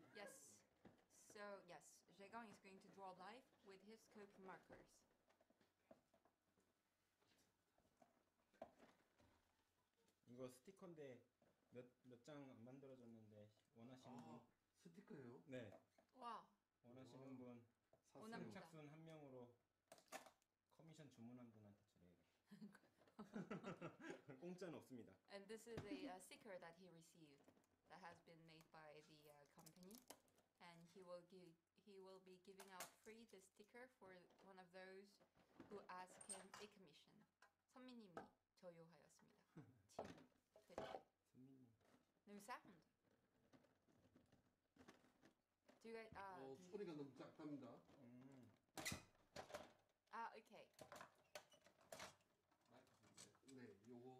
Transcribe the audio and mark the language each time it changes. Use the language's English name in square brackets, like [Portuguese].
[English] 재광 is going to draw life with his coping markers. [Korean] 이거 스티커인데 몇 장 안 만들어졌는데 원하시는 분 스티커요? 네. 와. 원하시는 분 사상 착순 한 명으로 커미션 주문한 분한테 드려요. 공짜는 없습니다. [English] And this is a sticker that he received that has been made by the company. And he will be giving out free the sticker for one of those who ask him a commission. [Korean] 선미님이 조요하였습니다. 팀 대표. 선미님. [English] No sound. Do you guys? [Korean] 소리가 너무 작답니다. 오케이. 네, 요거.